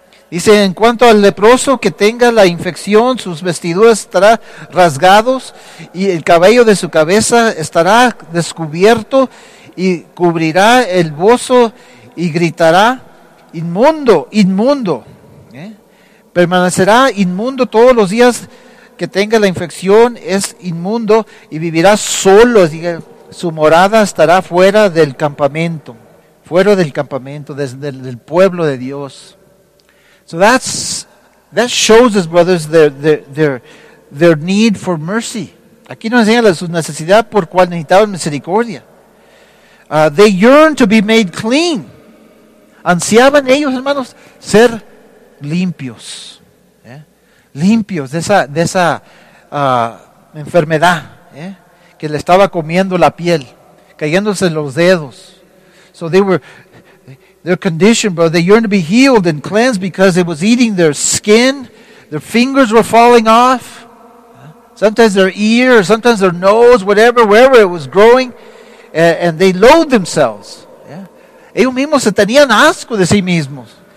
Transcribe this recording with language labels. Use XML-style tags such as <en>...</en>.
<es>Dice, en cuanto al leproso que tenga la infección, sus vestiduras estarán rasgados y el cabello de su cabeza estará descubierto y cubrirá el bozo y gritará, inmundo, inmundo. ¿Eh? Permanecerá inmundo todos los días que tenga la infección, es inmundo y vivirá solo. Diga, su morada estará fuera del campamento, desde el pueblo de Dios.</es> <en>So that shows us, brothers, their need for mercy.</en> <es>Aquí nos enseña su necesidad por cual necesitaban misericordia.</es> <en>They yearned to be made clean.</en> <es>Ansiaban ellos, hermanos, ser limpios. ¿Eh? Limpios de esa enfermedad, ¿eh?, que le estaba comiendo la piel, cayéndose los dedos.</es> <en>So they were, their condition, bro, they yearned to be healed and cleansed because it was eating their skin. Their fingers were falling off. Sometimes their ear, sometimes their nose, whatever, wherever it was growing. And they loathed themselves. Yeah.</en> <es>Ellos mismos se tenían asco de sí mismos.</es>